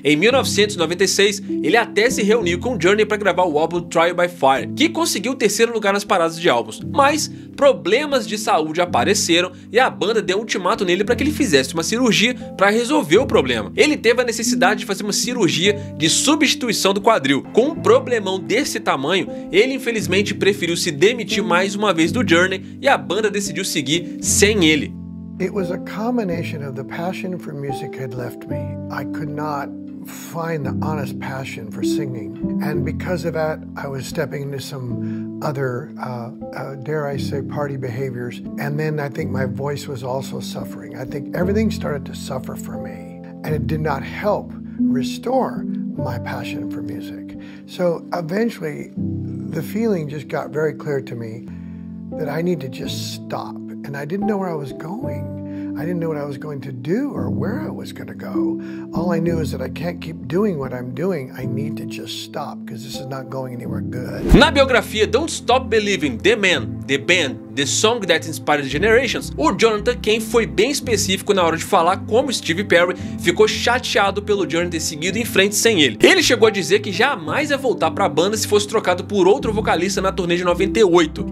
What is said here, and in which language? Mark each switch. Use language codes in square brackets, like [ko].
[pt] Em 1996, ele até se reuniu com Journey para gravar o álbum Trial by Fire, que conseguiu o terceiro lugar nas paradas de álbuns, mas problemas de saúde apareceram e a banda deu um ultimato nele para que ele fizesse uma cirurgia para resolver o problema. Ele teve a necessidade de fazer uma cirurgia de substituição do quadril. Com um problemão desse tamanho, ele infelizmente preferiu se demitir mais uma vez do Journey e a banda decidiu seguir sem ele. [en] It was a combination of the passion for music had left me. I could not find the honest passion for singing. And because of that, I was stepping into some other, dare I say, party behaviors. And then I think my voice was also suffering. I think everything started to suffer for me. And it did not help restore my passion for music. So eventually, the feeling just got very clear to me that I need to just stop. And I didn't know where I was going. I didn't know what I was going to do or where I was going to go. All I knew is that I can't keep doing what I'm doing. I need to just stop because this is not going anywhere good. [pt] Na biografia Don't Stop Believing, The Man, The Band, The Song That Inspired the Generations, o Jonathan Cain foi bem específico na hora de falar como Steve Perry ficou chateado pelo Journey ter seguido em frente sem ele. Ele chegou a dizer que jamais ia voltar para a banda se fosse trocado por outro vocalista na turnê de 98.